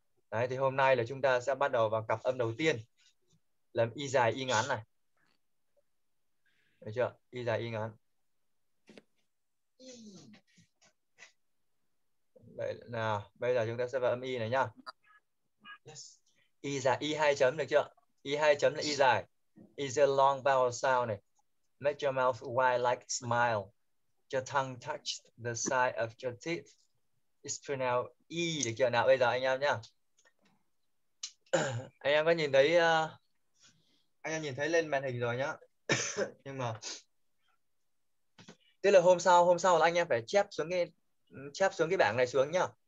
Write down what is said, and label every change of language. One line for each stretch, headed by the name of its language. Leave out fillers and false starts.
Vietnamese: Đấy thì hôm nay là chúng ta sẽ bắt đầu vào cặp âm đầu tiên. Làm y dài y ngắn này. Được chưa? Y dài y ngắn. Vậy nào, bây giờ chúng ta sẽ vào âm y này nhá. Y dài y hai chấm được chưa? Y hai chấm là y dài.
English: Is a long vowel sound
Vietnamese: này.
English: Make your mouth wide like smile. Your tongue touch the side of your teeth. It's pronounced y
Vietnamese: được chưa? Nào bây giờ anh em nhá. Anh em có nhìn thấy anh em nhìn thấy lên màn hình rồi nhá. Nhưng mà tức là hôm sau là anh em phải chép xuống cái bảng này xuống nhá.